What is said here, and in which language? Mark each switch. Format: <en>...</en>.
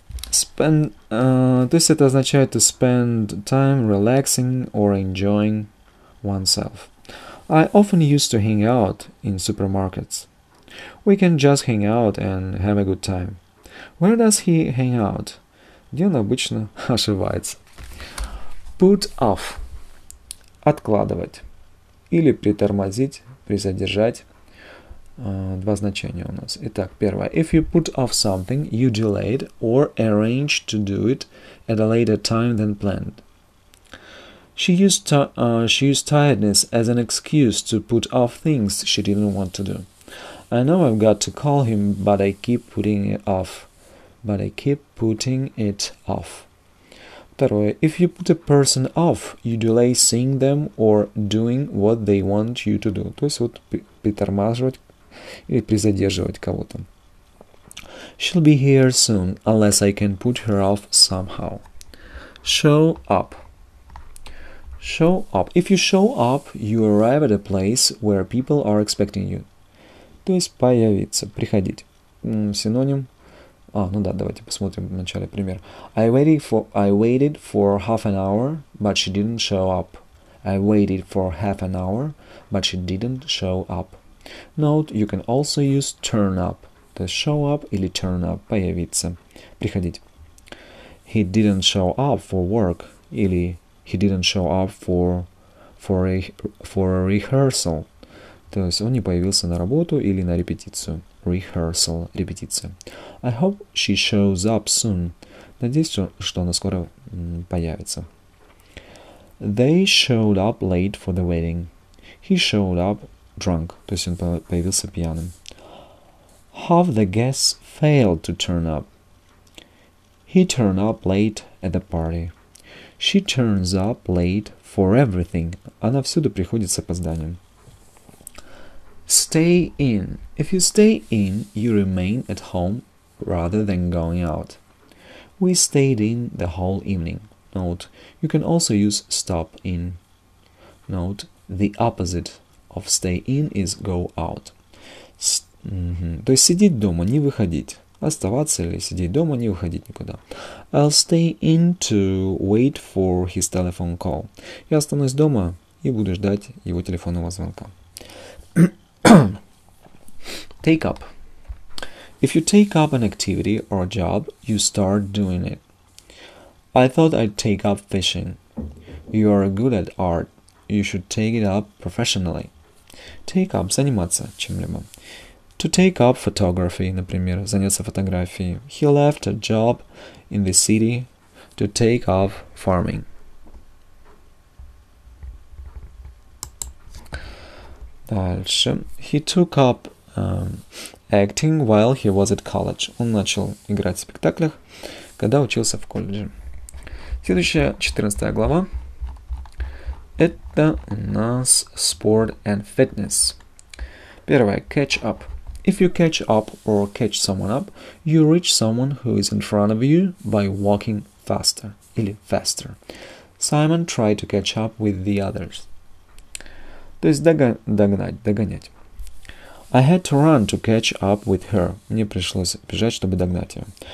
<en>Spend.</en> <ru>То есть это означает</ru> <en>to spend time relaxing or enjoying oneself. I often used to hang out in supermarkets. We can just hang out and have a good time. Where does he hang out?</en> <ru>Где он обычно ошивается? Put off. Откладывать. Или притормозить, призадержать. Два значения у нас. Итак, первое.</ru> <en>If you put off something, you delayed or arranged to do it at a later time than planned. She used tiredness as an excuse to put off things she didn't want to do. I know I've got to call him, but I keep putting it off. But I keep putting it off.</en> <ru>Второе.</ru> <en>If you put a person off, you delay seeing them or doing what they want you to do.</en> <ru>То есть вот притормаживать или призадерживать кого-то.</ru> <en>She'll be here soon, unless I can put her off somehow. Show up. Show up. If you show up, you arrive at a place where people are expecting you.</en> <ru>То есть появиться, приходить. Синоним. А, ну да, давайте посмотрим вначале пример.</ru> <en>I waited for half an hour, but she didn't show up. I waited for half an hour, but she didn't show up. Note, you can also use turn up.</en> <ru>То есть</ru> <en>show up или turn up.</en> <ru>Появиться, приходить.</ru> <en>He didn't show up for work или... He didn't show up for a rehearsal.</en> <ru>То есть он не появился на работу или на репетицию.</ru> <en>Rehearsal, репетиция. I hope she shows up soon.</en> <ru>Надеюсь, что она скоро появится.</ru> <en>They showed up late for the wedding. He showed up drunk.</en> <ru>То есть он появился пьяным.</ru> <en>Half the guests failed to turn up. He turned up late at the party. She turns up late for everything.</en> <ru>Она всюду приходит с опозданием.</ru> <en>Stay in. If you stay in, you remain at home rather than going out. We stayed in the whole evening. Note, you can also use stop in. Note, the opposite of stay in is go out.</en> <ru>То есть сидеть дома, не выходить. Оставаться или сидеть дома, не выходить никуда.</ru> <en>I'll stay in to wait for his telephone call.</en> <ru>Я останусь дома и буду ждать его телефонного звонка.</ru> <en>Take up. If you take up an activity or a job, you start doing it. I thought I'd take up fishing. You are good at art. You should take it up professionally.</en> <ru>Take up – заниматься чем-либо.</ru> <en>To take up photography, например,</en> <ru>заняться фотографией.</ru> <en>He left a job in the city to take up farming. Дальше. He took up acting while he was at college.</en> <ru>Он начал играть в спектаклях, когда учился в колледже. Следующая, 14 глава. Это у нас</ru> <en>sport and fitness.</en> <ru>Первое. Catch up.</ru> <en>If you catch up or catch someone up, you reach someone who is in front of you by walking faster.</en> <ru>Или faster.</ru> <en>Simon tried to catch up with the others.</en> <ru>То есть догнать, догонять.</ru> <en>I had to run to catch up with her.</en> <ru>Мне пришлось бежать, чтобы догнать ее.</ru>